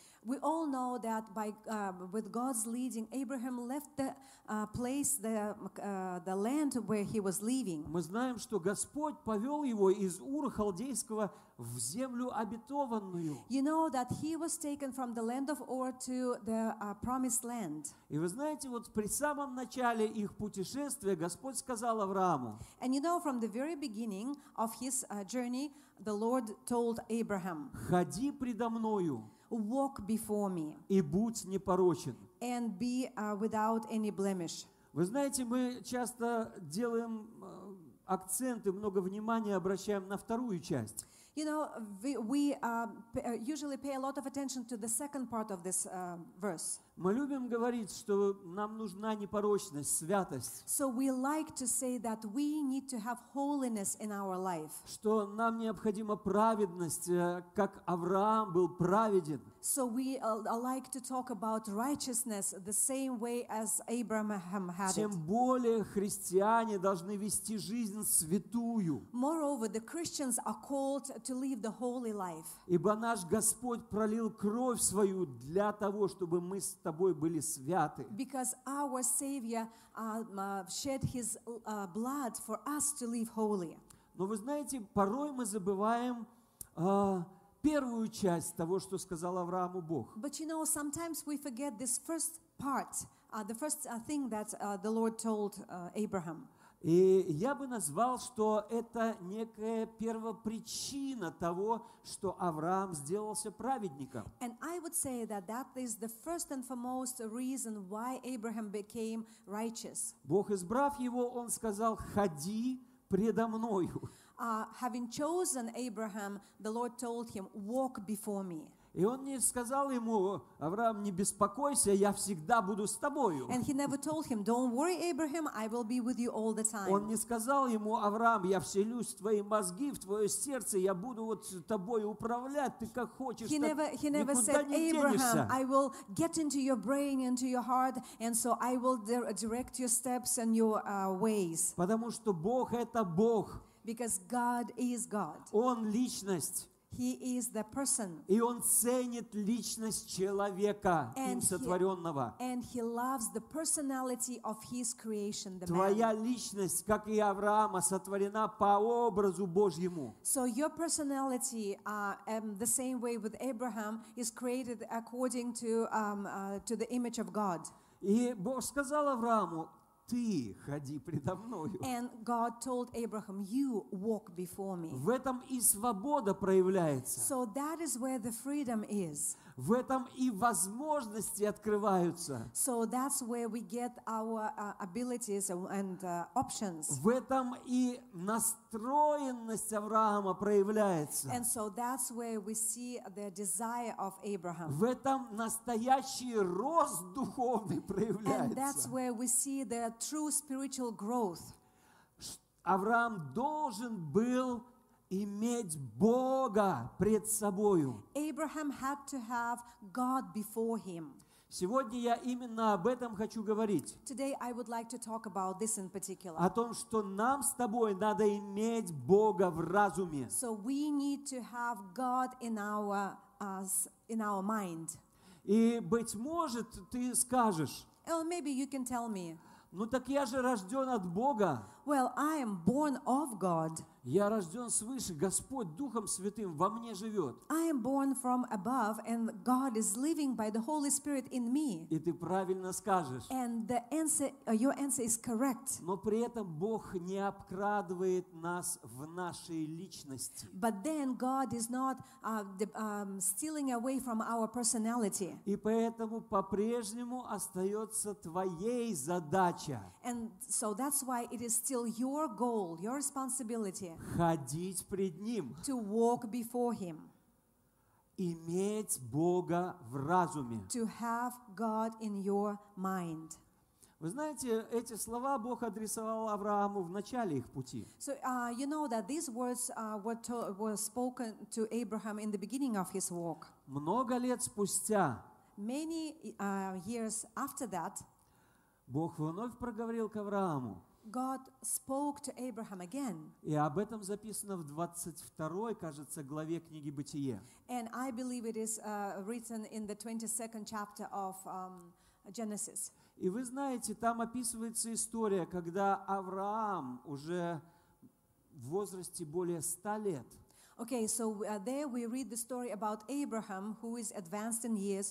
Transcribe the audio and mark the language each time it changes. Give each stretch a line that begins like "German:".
English: We all know that by with God's leading, Abraham left the place, the land where he was living.
Russian: Мы знаем, что Господь повел его из Ура Халдейского в землю обетованную.
English: You know that he was taken from the land of Ur to the promised land.
Russian: И вы знаете, вот при самом начале их путешествия Господь сказал Аврааму.
English: And you know, from the very beginning of his journey, the Lord told Abraham.
Russian: Ходи предо мною.
English: Walk before me.
Russian: И будь непорочен.
English: And be without any blemish.
Russian: Вы знаете, мы часто делаем акцент и много внимания обращаем на вторую часть.
English: You know, we usually pay a lot of attention to the second part of this verse.
Russian: Мы любим говорить, что нам нужна непорочность, святость.
English: So we like to say that we need to have holiness in our life.
Russian: Что нам необходима праведность, как Авраам был праведен.
English: So we like to talk about righteousness the same way as Abraham had it.
Russian: Тем более христиане должны вести жизнь святую.
English: Moreover, the Christians are called to live the holy life.
Russian: Ибо наш Господь пролил кровь свою для того, чтобы мы с тобой были святы.
English: Because our Savior shed his blood for us to live holy.
Russian: Но вы знаете, порой мы забываем первую часть того, что сказал Аврааму Бог.
English: But you know, sometimes we forget this first part, the first thing that the Lord told Abraham.
Russian: И я бы назвал, что это некая первопричина того, что Авраам сделался праведником.
English: And I would say that that is the first and foremost reason why Abraham became righteous.
Russian: Бог избрав его, он сказал: «Ходи предо мною».
English: Having chosen Abraham, the Lord told him, "Walk before me."
Russian: И он не сказал ему: «Авраам, не беспокойся, я всегда буду с тобою».
English: And he never told him, "Don't worry, Abraham, I will be with you all the time."
Russian: Он не сказал ему: «Авраам, я вселюсь в твои мозги, в твое сердце, я буду вот тобой управлять, ты как хочешь,
English: he
Russian: так
English: never, he never
Russian: никуда
English: said,
Russian: не денешься».
English: Abraham, I will get into your brain, into your heart, and so I will direct your steps and your ways.
Russian: Потому что Бог — это Бог.
English: Because God is God.
Russian: Он — личность.
English: He is the person.
Russian: И он ценит личность человека, им сотворенного.
English: And he loves the personality of his creation, the man.
Russian: Твоя личность, как и Авраама, сотворена по образу Божьему.
English: So your personality, the same way with Abraham, is created according to the image of God.
Russian: И Бог сказал Аврааму: «Ты ходи предо мною».
English: And God told Abraham, "You walk before me."
Russian: В этом и свобода проявляется.
English: So that is where the freedom is.
Russian: В этом и возможности открываются.
English: So that's where we get our abilities and options.
Russian: В этом и настроенность Авраама проявляется.
English: And so that's where we see the desire of Abraham.
Russian: В этом настоящий рост духовный проявляется.
English: And that's where we see the true spiritual growth.
Russian: Авраам должен был иметь Бога пред собою.
English: Abraham had to have God before him.
Russian: Сегодня я именно об этом хочу говорить.
English: Today I would like to talk about this in particular.
Russian: О том, что нам с тобой надо иметь Бога в разуме.
English: So we need to have God in our in our mind.
Russian: И быть может, ты скажешь:
English: Well, maybe you can tell me.
Russian: Ну так я же рожден от Бога.
English: Well, I am born of God.
Russian: Я рожден свыше, Господь Духом Святым во мне живет.
English: I am born from above, and God is living by the Holy Spirit in me.
Russian: И ты правильно скажешь.
English: And the answer, your answer is correct.
Russian: Но при этом Бог не обкрадывает нас в нашей личности.
English: But then God is not stealing away from our personality.
Russian: И поэтому по-прежнему остается твоей задача.
English: And so that's why it is still your goal, your responsibility.
Russian: Ходить пред Ним.
English: To walk before Him.
Russian: Иметь Бога в разуме.
English: To have God in your mind.
Russian: Вы знаете, эти слова Бог адресовал Аврааму в начале их пути.
English: So you know that these words were spoken to Abraham in the beginning of his walk.
Russian: Много лет спустя.
English: Many years after that.
Russian: Бог вновь проговорил к Аврааму.
English: God spoke to Abraham again.
Russian: И об этом записано в 22-й, кажется, главе книги Бытие.
English: And I believe it is written in the 22nd chapter of Genesis.
Russian: И вы знаете, там описывается история, когда Авраам уже в возрасте более 100 лет.
English: Okay, so there we read the story about Abraham, who is advanced in years.